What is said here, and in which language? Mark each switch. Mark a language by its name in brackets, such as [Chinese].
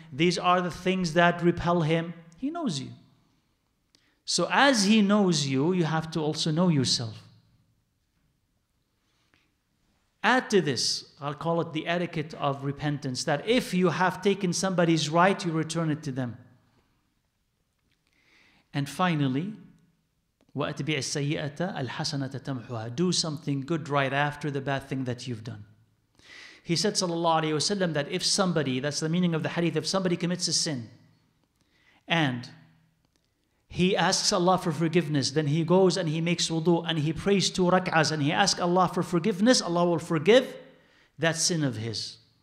[English] These are the things that repel him. He knows you. So as he knows you, you have to also know yourself. Add to this, I'll call it the etiquette of repentance, that if you have taken somebody's right, you return it to them. And finally, [Arabic] وَأَتْبِعِ السَّيِّئَةَ الْحَسَنَةَ تَمْحُهَا. [English] Do something good right after the bad thing that you've done. He said, sallallahu alayhi wa sallam, that if somebody, that's the meaning of the hadith, if somebody commits a sin, and he asks Allah for forgiveness, then he goes and he makes wudu and he prays two rak'ahs and he asks Allah for forgiveness, Allah will forgive that sin of his.